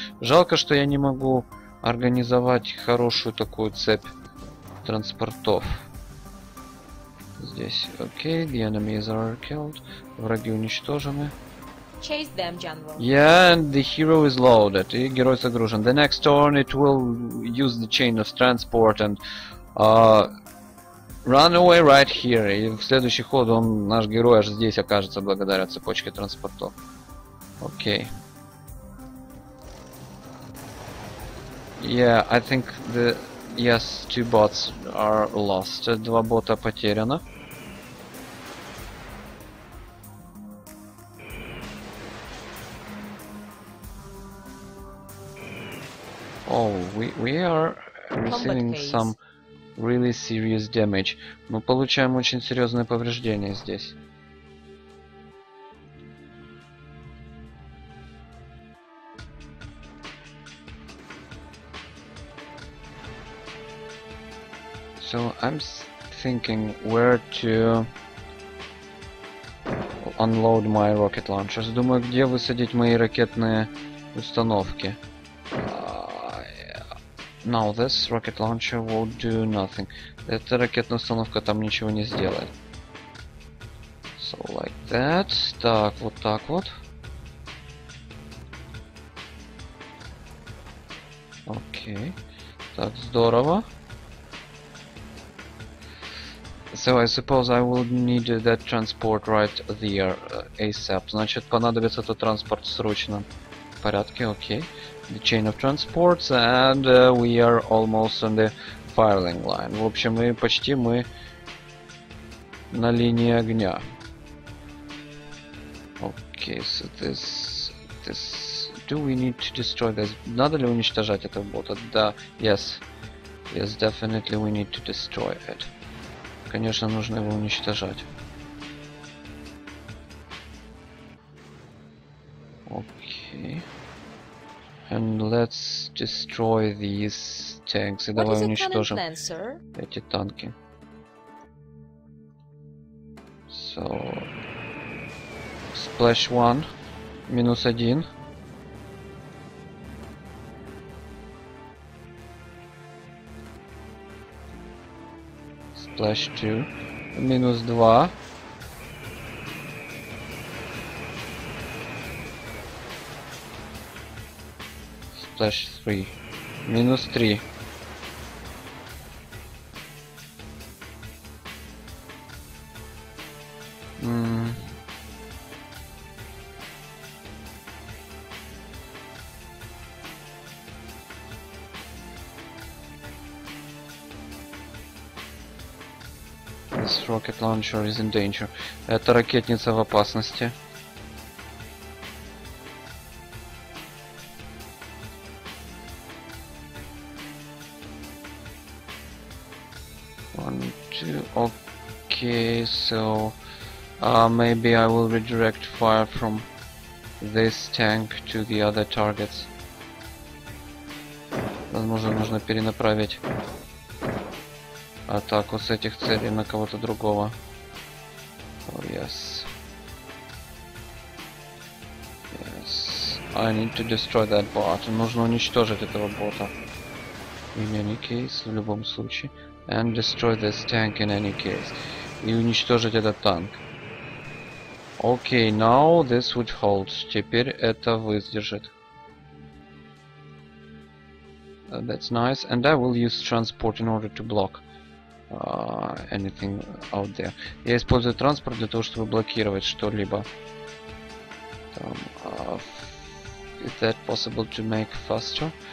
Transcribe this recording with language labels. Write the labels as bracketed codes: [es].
[ru] Жалко, что я не могу организовать хорошую такую цепь транспортов. Здесь, окей, [en] the enemies are killed. [ru] Враги уничтожены. [en] Chase them, general. Yeah, and the hero is loaded. [ru] И герой загружен. [en] The next turn it will use the chain of transport and run away right here. [ru] И в следующий ход он, наш герой, аж здесь окажется благодаря цепочке транспортов. Окей. [en] Yeah, I think the... Yes, two bots are lost. [ru] Два бота потеряно. [en] Oh, we are receiving some really serious damage. [ru] Мы получаем очень серьезные повреждения здесь. [en] So I'm thinking where to unload my rocket launchers. [ru] Думаю, где высадить мои ракетные установки. [en] Yeah. Now this rocket launcher won't do nothing. [ru] Эта ракетная установка там ничего не сделает. [en] So like that. [ru] Так, вот так вот. Окей. Так, здорово. [en] So I suppose I will need that transport right there, ASAP. [ru] Значит, понадобится этот транспорт срочно. В порядке, окей. [en] The chain of transports, and we are almost on the firing line. [ru] В общем, мы почти мы на линии огня. [en] Окей, so this... Do we need to destroy this? [ru] Надо ли уничтожать этого бота? Да, [en] yes. Yes, definitely we need to destroy it. [ru] Конечно, нужно его уничтожать. Окей. [en] And let's destroy these tanks. [ru] И давай уничтожим эти танки. [en] So, splash one, [ru] минус один. [en] Splash 2, [ru] минус 2. [en] Splash 3, [ru] минус 3. [en] Rocket launcher is in danger. [ru] Эта ракетница в опасности. [en] One, two. Okay, so maybe I will redirect fire from this tank to the other targets. [ru] Возможно, нужно перенаправить атаку с этих целей на кого-то другого. [en] Oh, yes. Yes. I need to destroy that bot. [ru] Нужно уничтожить этого бота. [en] In any case, [ru] в любом случае. [en] And destroy this tank in any case. [ru] И уничтожить этот танк. [en] Okay, now this would hold. [ru] Теперь это выдержит. [en] That's nice. And I will use transport in order to block anything out there. [ru] Я использую транспорт для того, чтобы блокировать что-либо. Там, [en] is that possible to make faster?